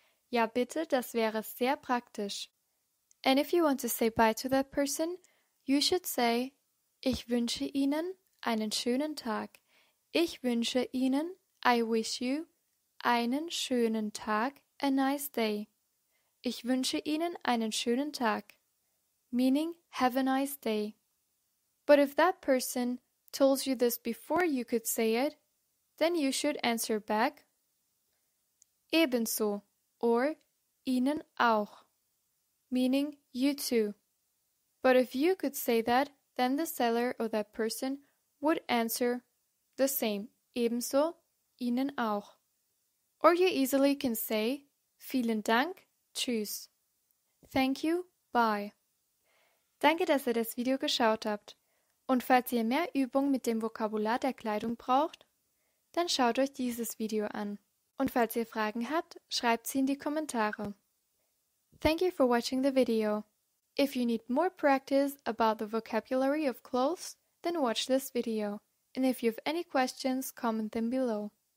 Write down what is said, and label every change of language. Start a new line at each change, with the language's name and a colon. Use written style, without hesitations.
German: Ja bitte, das wäre sehr praktisch.
English: And if you want to say bye to that person, you should say,
German: ich wünsche Ihnen einen schönen Tag. Ich wünsche Ihnen,
English: I wish you,
German: einen schönen Tag,
English: a nice day.
German: Ich wünsche Ihnen einen schönen Tag,
English: meaning have a nice day. But if that person told you this before you could say it, then you should answer back, ebenso, or
German: Ihnen auch,
English: meaning you too. But if you could say that, then the seller or that person would answer the same,
German: ebenso, Ihnen auch.
English: Or you easily can say,
German: vielen Dank, tschüss.
English: Thank you, bye.
German: Danke, dass ihr das Video geschaut habt. Und falls ihr mehr Übung mit dem Vokabular der Kleidung braucht, dann schaut euch dieses Video an. Und falls ihr Fragen habt, schreibt sie in die Kommentare.
English: Thank you for watching the video. If you need more practice about the vocabulary of clothes, then watch this video. And if you have any questions, comment them below.